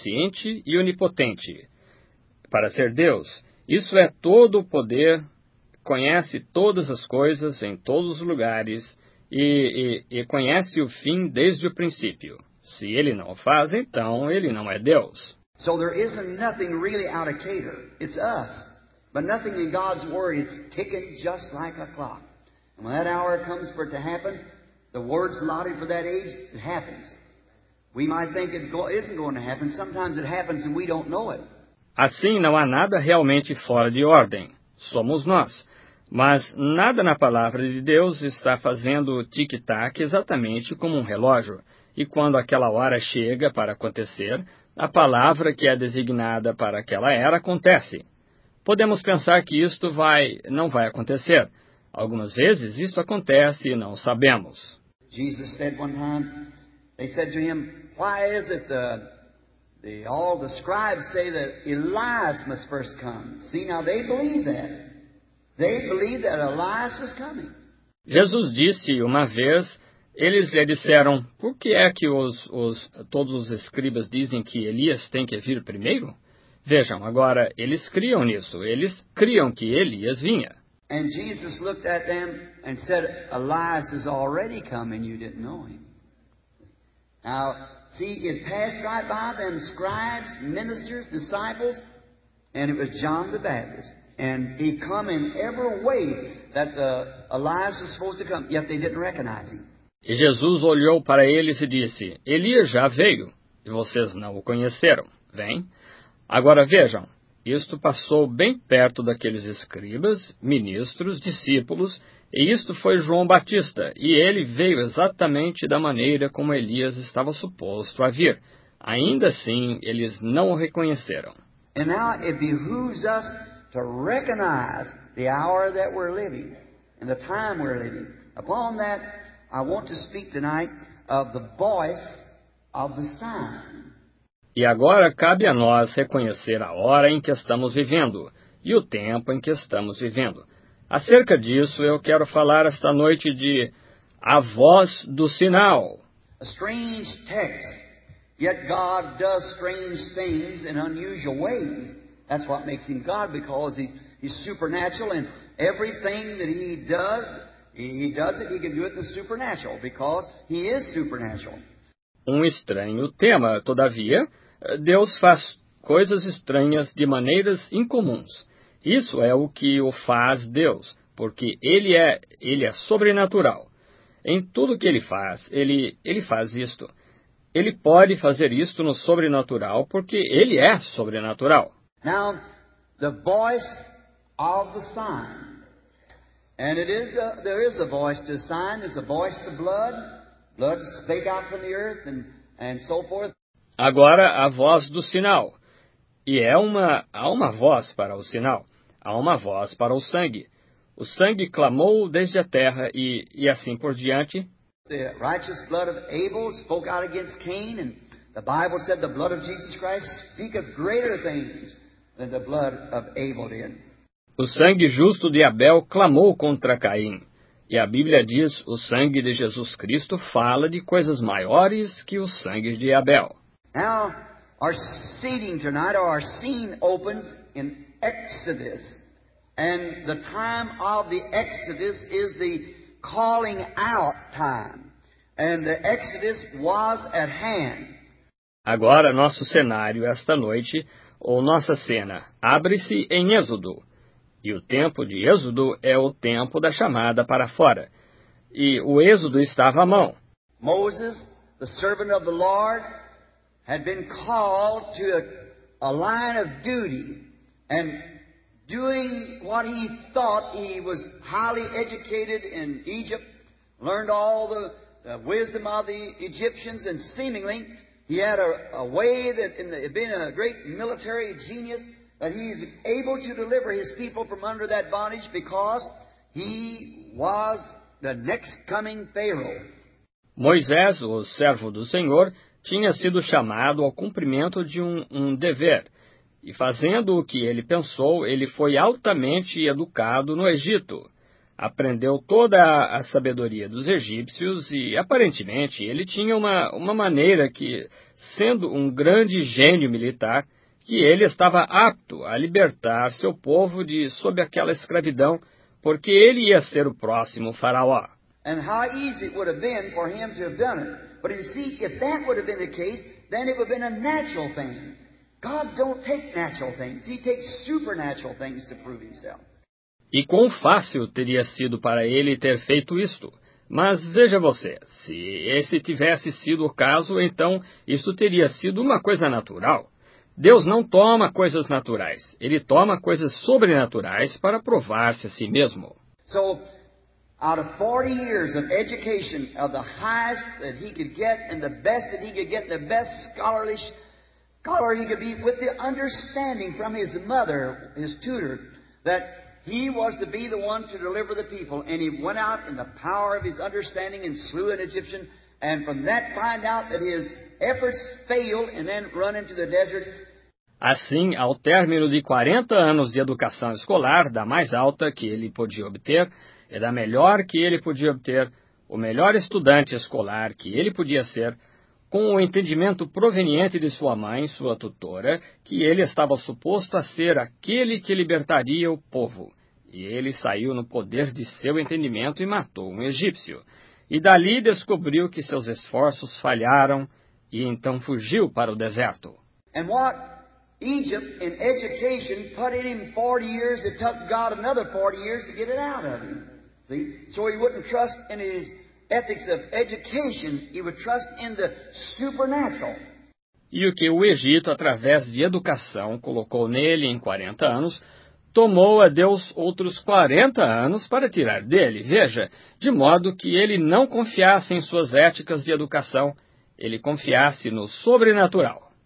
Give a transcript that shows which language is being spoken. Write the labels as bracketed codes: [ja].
[pt] E ele tem que ser onipotente, onipresente, onisciente e onipotente para ser Deus. Isso é todo o poder, conhece todas as coisas em todos os lugares e conhece o fim desde o princípio. Se ele não o faz, então ele não é Deus. [en] So there isn't nothing really out of Cater. It's us. But nothing in God's word, it's ticking just like a clock. And when that hour comes for it to happen, the words allotted for that age, it happens. We might think it isn't going to happen. Sometimes it happens and we don't know it. [pt] Assim, não há nada realmente fora de ordem. Somos nós. Mas nada na palavra de Deus está fazendo o tic-tac exatamente como um relógio. E quando aquela hora chega para acontecer, a palavra que é designada para aquela era acontece. Podemos pensar que isto não vai acontecer. Algumas vezes isso acontece e não sabemos. [en] Jesus said one time, they said to him, why is it all the scribes say that Elias must first come? See, now they believe that. They believe that Elias was coming. [pt] Jesus disse uma vez, eles lhe disseram, por que é que todos os escribas dizem que Elias tem que vir primeiro? Vejam, agora eles criam nisso, eles criam que Elias vinha. [en] And Jesus looked at them and said, Elias has already come and you didn't know him. Now, see, it passed right by them, scribes, ministers, disciples, and it was John the Baptist. And he come in every way that Elias was supposed to come, yet they didn't recognize him. [pt] E Jesus olhou para eles e disse, Elias já veio, e vocês não o conheceram. Vem. Agora vejam. Isto passou bem perto daqueles escribas, ministros, discípulos, e isto foi João Batista, e ele veio exatamente da maneira como Elias estava suposto a vir. Ainda assim, eles não o reconheceram. [en] And now it behooves us to recognize the hour that we're living and the time we're living. Upon that, I want to speak tonight of the voice of the sign. [pt] E agora cabe a nós reconhecer a hora em que estamos vivendo e o tempo em que estamos vivendo. Acerca disso, eu quero falar esta noite de a voz do sinal. [en] A strange text, yet God does strange things in unusual ways. That's what makes him God, because he's supernatural, and everything that he does, he can do it in the supernatural, because he is supernatural. [pt] Um estranho tema, todavia, Deus faz coisas estranhas de maneiras incomuns. Isso é o que o faz Deus, porque ele é sobrenatural. Em tudo que ele faz, ele faz isto. Ele pode fazer isto no sobrenatural, porque ele é sobrenatural. [en] Now, the voice of the sign. And it is there is a voice to the sign, there's a voice to blood. Blood spake out from the earth and so forth. [pt] Agora, a voz do sinal. E há uma voz para o sinal. Há uma voz para o sangue. O sangue clamou desde a terra e assim por diante. [en] The righteous blood of Abel spoke out against Cain, and the Bible said the blood of Jesus Christ speaketh greater things than the blood of Abel did. [pt] O sangue justo de Abel clamou contra Caim. E a Bíblia diz, o sangue de Jesus Cristo fala de coisas maiores que o sangue de Abel. [en] Now, our seating tonight, or our scene opens in Exodus. And the time of the Exodus is the calling out time. And the Exodus was at hand. [pt] Agora, nosso cenário esta noite, ou nossa cena, abre-se em Êxodo. E o tempo de Êxodo é o tempo da chamada para fora. E o Êxodo estava à mão. [en] Moses, the servant of the Lord, had been called to a line of duty and doing what he thought he was highly educated in Egypt, learned all the wisdom of the Egyptians, and seemingly he had a way that in the, being a great military genius, that he is able to deliver his people from under that bondage because he was the next coming Pharaoh. [pt] Moisés, o servo do Senhor, tinha sido chamado ao cumprimento de um dever. E fazendo o que ele pensou, ele foi altamente educado no Egito. Aprendeu toda a sabedoria dos egípcios e, aparentemente, ele tinha uma maneira que, sendo um grande gênio militar, que ele estava apto a libertar seu povo de sob aquela escravidão, porque ele ia ser o próximo faraó. [en] And how easy it would have been for him to have done it. But you see, if that would have been the case, then it would have been a natural thing. God don't take natural things. He takes supernatural things to prove himself. [pt] E quão fácil teria sido para ele ter feito isto? Mas veja você, se esse tivesse sido o caso, então isso teria sido uma coisa natural. Deus não toma coisas naturais. Ele toma coisas sobrenaturais para provar-se a si mesmo. [en] So, out of 40 years of education of the highest that he could get and the best that he could get, the best scholar he could be, with the understanding from his mother, his tutor, that he was to be the one to deliver the people. And he went out in the power of his understanding and slew an Egyptian. And from that find out that his efforts failed and then run into the desert. [pt] Assim, ao término de 40 anos de educação escolar, da mais alta que ele podia obter, e da melhor que ele podia obter, o melhor estudante escolar que ele podia ser, com o entendimento proveniente de sua mãe, sua tutora, que ele estava suposto a ser aquele que libertaria o povo. E ele saiu no poder de seu entendimento e matou um egípcio. E dali descobriu que seus esforços falharam e então fugiu para o deserto. [en] And what Egypt in education put in him 40 years, it took God another 40 years to get it out of him. See? So he wouldn't trust in his ethics of education, he would trust in the supernatural. [pt] E o que o Egito, através de educação, colocou nele em 40 anos, tomou a Deus outros 40 anos para tirar dele, veja, de modo que ele não confiasse em suas éticas de educação, ele confiasse no sobrenatural.